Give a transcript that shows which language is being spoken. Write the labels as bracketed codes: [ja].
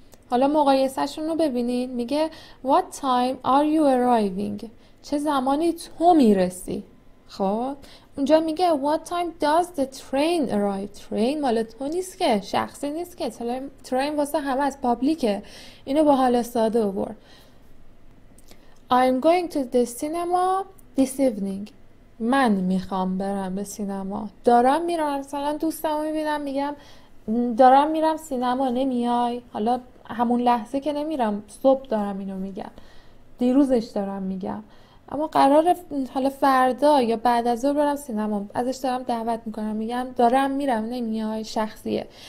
[fa] حالا مقایسهشون رو ببینید. میگه [en] What time are you arriving؟ [fa] چه زمانی تو میرسی؟ خب اونجا میگه [en] What time does the train arrive؟ [fa] ترین مال تو نیست که، شخصی نیست که، ترین واسه همه از پابلیکه. اینو با حال ساده بور. [en] I'm going to the cinema this evening. [fa] من میخوام برم به سینما. دارم میرم، مثلا دوستمو میبینم میگم دارم میرم سینما، نمیای؟ حالا همون لحظه که نمیرم، صبح دارم اینو میگم، دیروزش دارم میگم، اما قرار حالا فردا یا بعد از ظهر برم سینما، ازش دارم دعوت میکنم، میگم دارم میرم، نمیای؟ شخصیه.